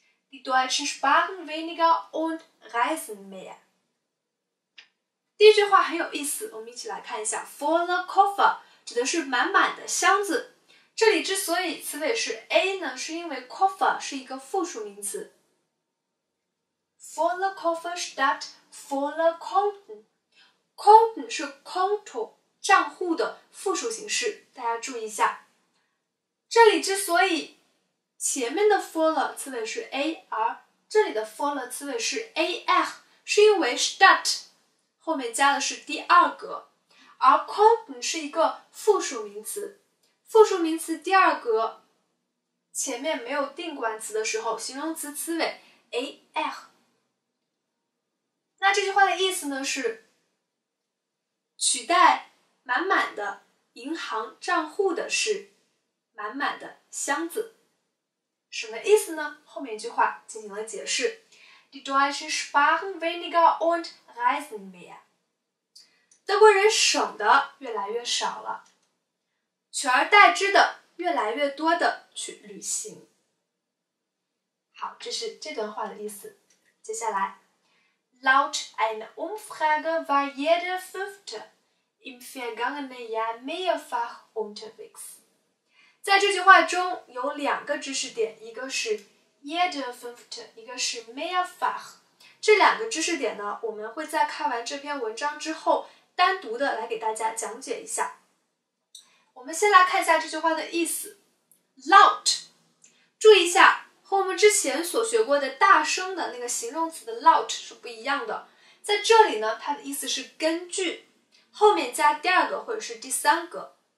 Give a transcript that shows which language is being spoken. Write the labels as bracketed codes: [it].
[de] Die Deutschen sparen weniger und reisen mehr. [zh] 第一句话很有意思，我们一起来看一下。 [de] Voller Koffer [zh] 指的是满满的箱子。这里之所以词尾是 a 呢，是因为 Koffer 是一个复数名词。 [de] Voller Koffer statt voller Konten. [zh] Konten 是 Konto 账户的复数形式，大家注意一下。这里之所以前面的 voller 词尾是 a， 而这里的 voller 词尾是 ar， 是因为 statt 后面加的是第二格，而 konten 是一个复数名词，复数名词第二格前面没有定冠词的时候，形容词词尾 ar。那这句话的意思呢是取代满满的银行账户的是满满的箱子，什么意思呢？后面一句话进行了解释。 [de] Die Deutschen sparen weniger und reisen mehr. [zh] 德国人省的越来越少了，取而代之的越来越多的去旅行。好，这是这段话的意思。接下来， [de] Laut einer Umfrage war jeder fünfte im vergangenen Jahr mehrfach unterwegs. [zh] 在这句话中有两个知识点，一个是 jeder fünfte， 一个是 mehrfach。这两个知识点呢，我们会在看完这篇文章之后单独的来给大家讲解一下。我们先来看一下这句话的意思。Laut， 注意一下和我们之前所学过的大声的那个形容词的 laut 是不一样的，在这里呢，它的意思是根据，后面加第二个或者是第三个。